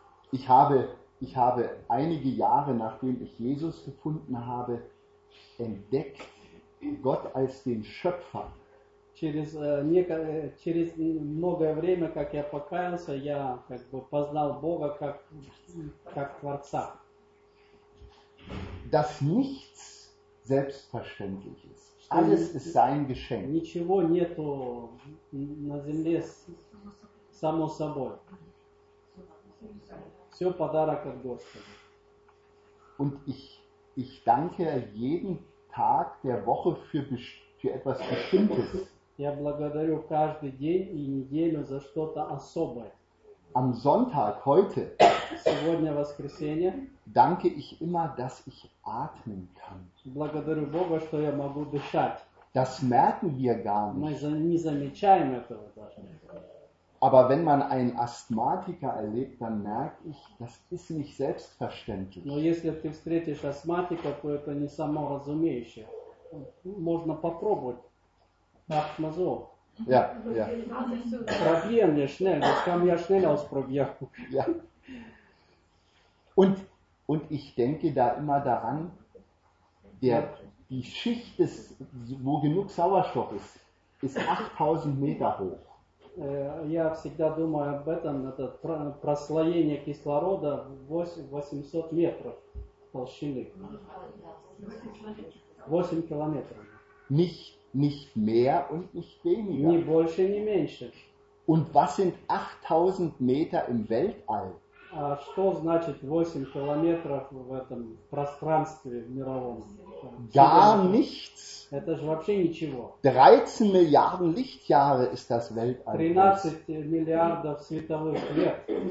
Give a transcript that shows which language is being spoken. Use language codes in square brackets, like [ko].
[de] Ich habe einige Jahre, nachdem ich Jesus gefunden habe, entdeckt Gott als den Schöpfer. [ru] Через многое время, как я покаялся, я как бы познал Бога как Творца. [de] Dass nichts selbstverständlich ist. Alles ist sein Geschenk. [ru] Ничего нету на земле само собой. Все подарок от Господа. [de] Und ich danke jeden Tag der Woche für etwas Bestimmtes. [ru] Я благодарю каждый день и неделю за что-то особое. [de] Am Sonntag, heute, [ru] сегодня воскресенье, [de] danke ich immer, dass ich atmen kann. [ru] Благодарю Бога, что я могу дышать. [de] Das merken wir gar nicht. [ru] Мы не замечаем этого даже. [de] Aber wenn man einen Asthmatiker erlebt, dann merke ich, das ist nicht selbstverständlich. [ru] Но если ты встретишь астматика, то это не само разумеющее. Можно попробовать. Ахмазо. [de] Ja, ja. Probieren wir schnell. Das kann ja schnell ausprobieren. Ja. Und ich denke da immer daran, die Schicht, wo genug Sauerstoff ist, ist 8000 Meter hoch. [ru] Я всегда думаю об этом, это прослоение кислорода 800 метров толщины. 8 километров. [de] Nicht mehr und nicht weniger. [ru] Ни больше, ни меньше. [de] Und was sind 8000 Meter im Weltall? [ru] А что значит 8 километров в этом пространстве мировом? [de] Gar nichts. [ru] Это же вообще ничего. [de] 13 [ru] миллиардов лихтяры [de] ist das Weltall. [ru] 13 миллиардов световых лет.